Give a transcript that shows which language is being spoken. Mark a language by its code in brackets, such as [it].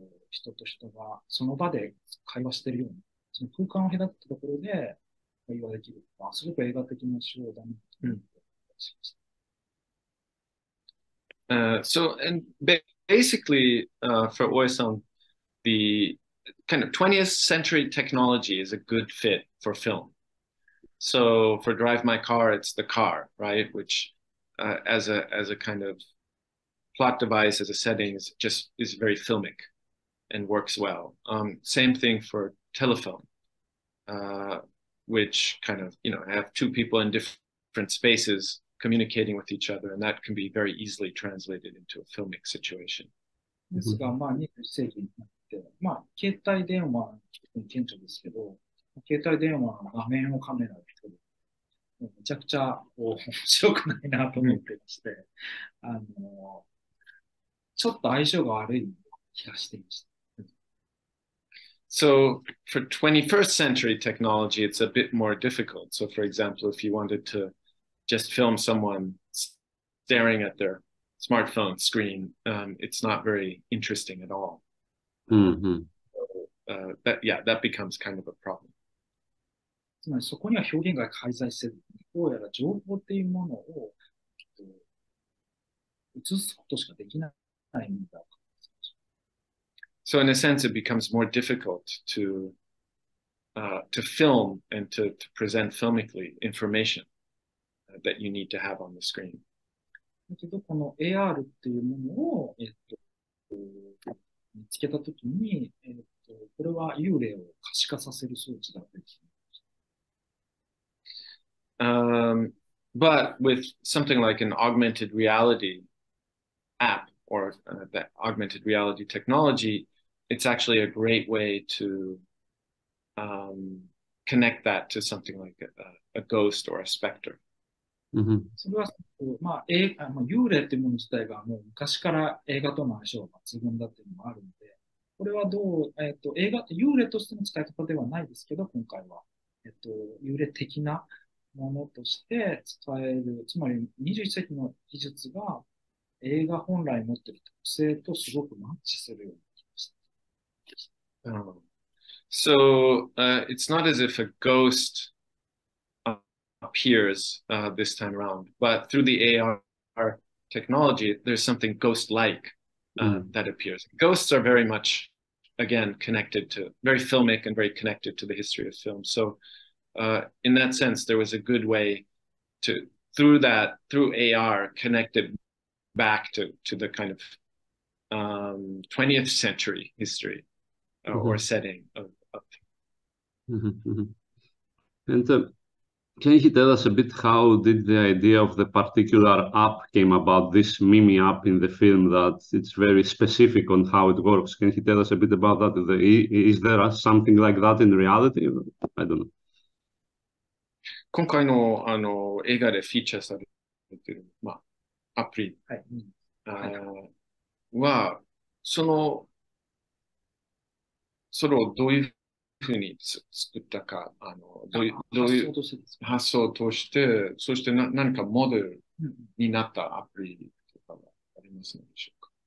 [ja] 人と人がその場で会話してるように、その空間を隔てたところで会話できるとか、すごく映画的な手法だなと思ってました。 [en] うん、so, and basically, for Oe-san, the kind of 20th century technology is a good fit for film. So for Drive My Car, it's the car, right? Which as a kind of plot device, as a setting, is very filmic and works well. Same thing for telephone, which kind of, you know, have two people in different spaces communicating with each other, and that can be very easily translated into a filmic situation. [ja] ですが、まあ、20世紀になって、まあ、携帯電話は顕著ですけど、携帯電話は画面をカメラで撮る。めちゃくちゃ面白くないなと思ってまして、ちょっと相性が悪い気がしていました。 [en] So for 21st century technology, it's a bit more difficult. So for example, if you wanted toJust film someone staring at their smartphone screen, it's not very interesting at all. Mm-hmm. That becomes kind of a problem. [ja] つまりそこには表現が介在している。どうやら情報っていうものを映すことしかできないんだ。 [en] So in a sense, it becomes more difficult to film and to present filmically information. That you need to have on the screen. [ja] だけどこの AR っていうものを、見つけたときに、これは幽霊を可視化させる装置だったりします。 [en] But with something like an augmented reality app or that augmented reality technology, it's actually a great way to connect that to something like a ghost or a specter. [ja] それは、まあ、幽霊というもの自体がもう昔から映画との相性が抜群だというのもあるので、これはどう、映画って幽霊としての使い方ではないですけど、今回は、幽霊的なものとして使える、つまり21世紀の技術が映画本来持っている特性とすごくマッチするようになりました。 [en] So, it's not as if a ghostappears this time around, but through the AR technology, there's something ghost-like that appears. Ghosts are very much, again, connected to, very filmic and very connected to the history of film. So in that sense, there was a good way to through that, through AR, connected back to the kind of 20th century history or setting of. And can you tell us a bit how did the idea of the particular app came about, this Mimi app in the film, that it's very specific on how it works? Can you tell us a bit about that? Is there something like that in reality? I don't know. [ja] 今回の、あの、映画でフィーチャーされている、まあ、アプリ、はい、は、その、それをどういうふうに作ったか、あの、どういう発想として、そして何かモデルになったアプリとかはありますのでしょうか。